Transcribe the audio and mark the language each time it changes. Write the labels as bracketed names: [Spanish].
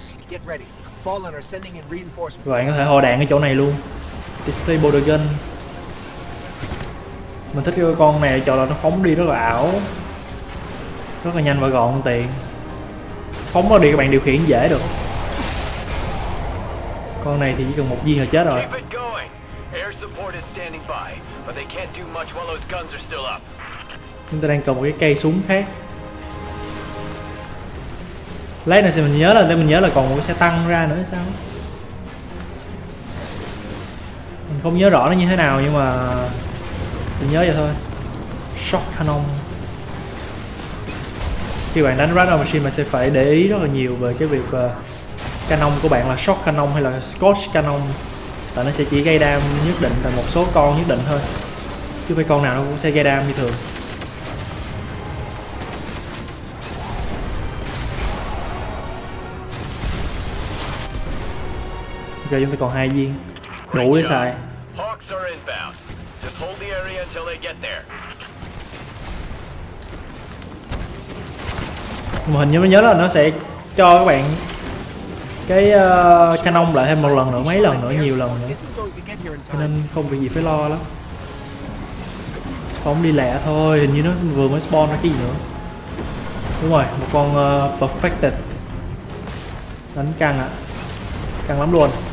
[English] Get ready. Fallen are sending in reinforcements. [Vietnamese] Rồi anh có thể hồi đạn ở chỗ này luôn. [English] Disable the gun. [Vietnamese] Mình thích cái con này cho là nó phóng đi rất là ảo, rất là nhanh và gọn tiện. Phóng nó đi các bạn điều khiển dễ được. Con này thì chỉ cần một viên là chết rồi. [English] Air support is standing by, but they can't do much while those guns are still up. [Vietnamese] Chúng ta đang cầm một cái cây súng khác. Lấy này thì mình nhớ là còn một cái xe tăng ra nữa sao? Mình không nhớ rõ nó như thế nào nhưng mà mình nhớ vậy thôi. Shock cannon. Khi bạn đánh Rattle Machine bạn sẽ phải để ý rất là nhiều về cái việc cannon của bạn là shock cannon hay là scorch cannon. Tại nó sẽ chỉ gây đam nhất định tại một số con nhất định thôi. Chứ phải con nào nó cũng sẽ gây đam như thường. Giờ chúng ta còn 2 viên. Đủ để xài. [English] Hawks are inbound. Just hold the area until they get there. [Vietnamese] Mà hình như mới nhớ là nó sẽ cho các bạn cái canon lại thêm một lần nữa, mấy lần nữa, nhiều lần nữa. Cho nên không việc gì phải lo lắm. Phóng đi lẹ thôi, hình như nó vừa mới spawn ra cái gì nữa. Đúng rồi, một con perfected. Đánh căng ạ. Căng lắm luôn.